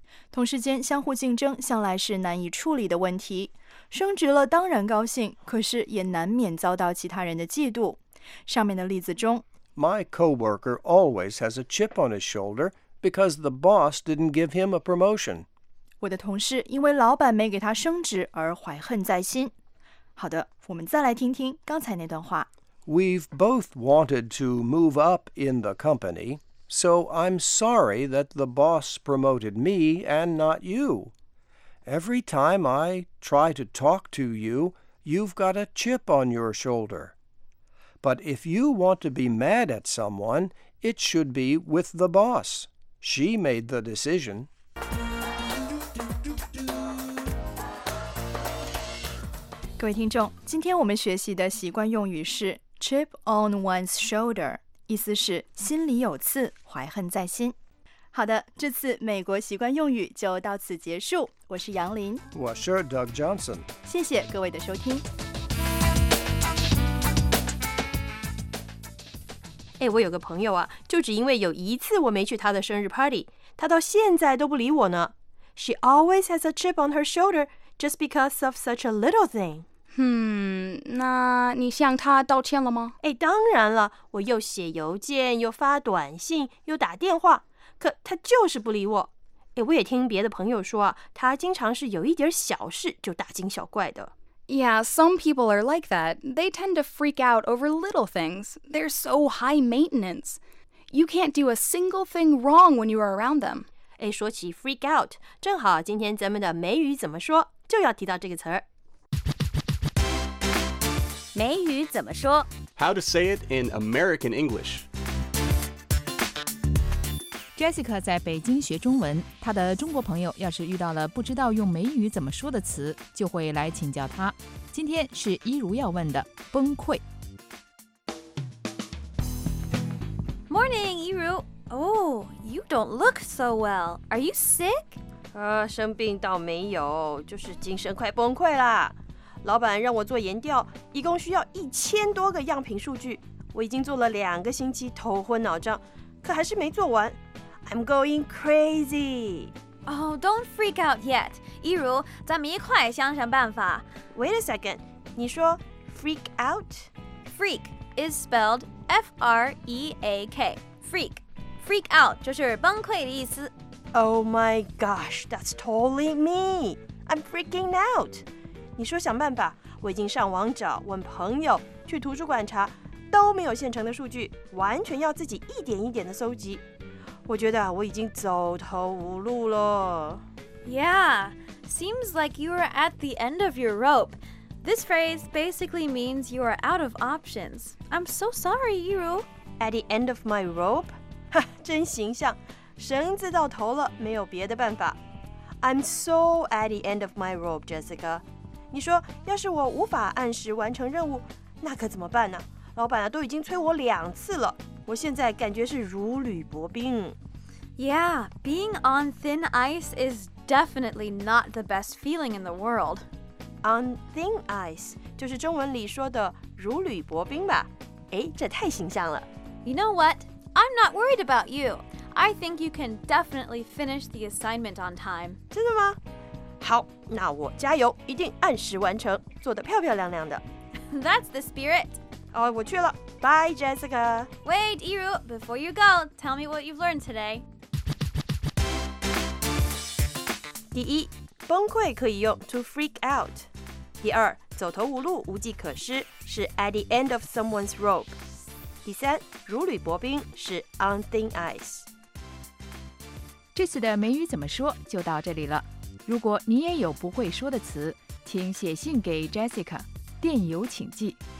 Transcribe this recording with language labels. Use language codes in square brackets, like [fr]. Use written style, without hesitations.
[zh] 同事间相互竞争向来是难以处理的问题。升职了当然高兴，可是也难免遭到其他人的嫉妒。上面的例子中， [en] My coworker always has a chip on his shoulder because the boss didn't give him a promotion. [zh] 我的同事因为老板没给他升职而怀恨在心。好的，我们再来听听刚才那段话。 [en] We've both wanted to move up in the company, so I'm sorry that the boss promoted me and not you. Every time I try to talk to you, you've got a chip on your shoulder. But if you want to be mad at someone, it should be with the boss. She made the decision. [zh] 各位听众，今天我们学习的习惯用语是 chip on one's shoulder， 意思是心里有刺，怀恨在心。好的，这次美国习惯用语就到此结束。我是杨林，我是 Doug Johnson。谢谢各位的收听。哎，我有个朋友啊，就只因为有一次我没去他的生日 party， 他到现在都不理我呢。 [en] She always has a chip on her shoulder just because of such a little thing. [zh] 那你向他道歉了吗？哎，当然了，我又写邮件，又发短信，又打电话，可他就是不理我。哎，我也听别的朋友说啊，他经常是有一点小事就大惊小怪的。 [en] Yeah, some people are like that. They tend to freak out over little things. They're so high maintenance. You can't do a single thing wrong when you are around them. [zh] 哎，说起 freak out, 正好今天咱们的美语怎么说就要提到这个词儿。美语怎么说？ [en] How to say it in American English. [zh] Jessica 在北京学中文，她的中国朋友要是遇到了不知道用美语怎么说的词，就会来请教她。今天是一如要问的崩溃。 [en] Morning, 一如。 Oh, you don't look so well. Are you sick? [zh] 生病倒没有，就是精神快崩溃啦。老板让我做研调，一共需要1000多个样品数据，我已经做了2个星期，头昏脑胀，可还是没做完。 [en] I'm going crazy. Oh, don't freak out yet. [zh] 一如，咱们一块想想办法。 [en] Wait a second. [zh] 你说 freak out? [en] Freak is spelled F-R-E-A-K. Freak. [zh] Freak out 就是崩溃的意思。 [en] Oh my gosh, that's totally me. I'm freaking out. [zh] 你说想办法，我已经上网找，问朋友，去图书馆查，都没有现成的数据，完全要自己一点一点的搜集。我觉得我已经走投无路了。 [en] Yeah, seems like you are at the end of your rope. This phrase basically means you are out of options. I'm so sorry, Yiru. At the end of my rope? [zh] 真形象，绳子到头了，没有别的办法。 [en] I'm so at the end of my rope, Jessica. [zh] 你说，要是我无法按时完成任务，那可怎么办呢？老板啊，都已经催我两次了，我现在感觉是如履薄冰。 [en] Yeah, being on thin ice is definitely not the best feeling in the world. [zh] On thin ice, 就是中文里说的如履薄冰吧？哎，这太形象了。 [en] You know what? I'm not worried about you. I think you can definitely finish the assignment on time. [zh] 真的吗？好，那我加油，一定按时完成，做得漂漂亮亮的。 [en] That's the spirit. [zh] 哦，我去了。 [en] Bye, Jessica. Wait, Yiru, before you go, tell me what you've learned today. [zh] 第一，崩溃可以用 to freak out. 第二，走投无路，无计可施，是 at the end of someone's rope. 第三，如履薄冰是 on thin ice。这次的美语怎么说就到这里了。如果你也有不会说的词，请写信给 Jessica， 电邮请寄